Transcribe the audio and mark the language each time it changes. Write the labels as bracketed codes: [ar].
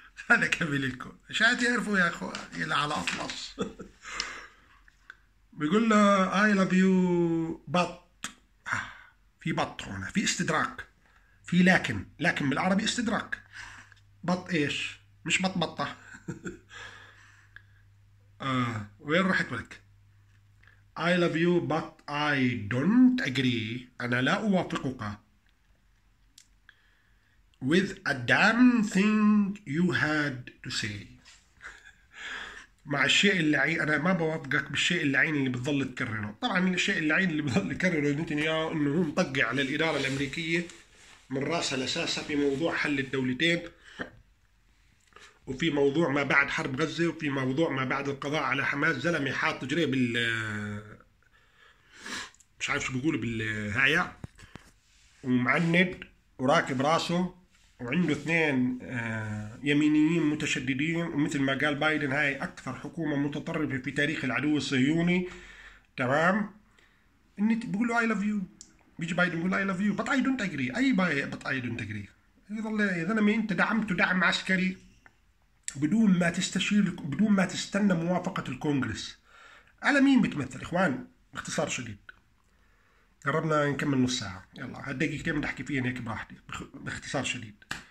[ar] هذا كمل لكم عشان تعرفوا يا اخو اللي على اطلس. بيقول له [en] I love you بط. [ar] في بط هنا، في استدراك، في لكن، لكن بالعربي استدراك. بط ايش؟ مش بطبطة. وين رحت ولك؟ [en] I love you but I don't agree. [ar] أنا لا أوافقك [en] with a damn thing you had to say. [ar] مع الشيء اللعين، أنا ما بوافقك بالشيء اللعين اللي بتظل تكرره. طبعا الشيء اللعين اللي بتظل تكرره نتنياهو إنه هو مطقع على الإدارة الأمريكية من رأسها لأساسها في موضوع حل الدولتين، وفي موضوع ما بعد حرب غزة، وفي موضوع ما بعد القضاء على حماس. زلمة حاط جريه بال مش عارف شو بيقولوا بالهايع، ومعند وراكب راسه، وعنده اثنين يمينيين متشددين، ومثل ما قال بايدن هاي أكثر حكومة متطرفة في تاريخ العدو الصهيوني. تمام، بيقولوا [en] I love you. [ar] بيجي بايدن بيقول [en] I love you but I don't agree. [ar] أي باي [en] but I don't agree؟ [ar] يظل يا زلمة أنت دعمت دعم عسكري بدون ما تستشير، بدون ما تستنى موافقة الكونغرس، على مين بتمثل؟ إخوان باختصار شديد، قربنا نكمل نص ساعة، يلا هالدقيقتين بدي أحكي فيهم هيك براحتي باختصار شديد.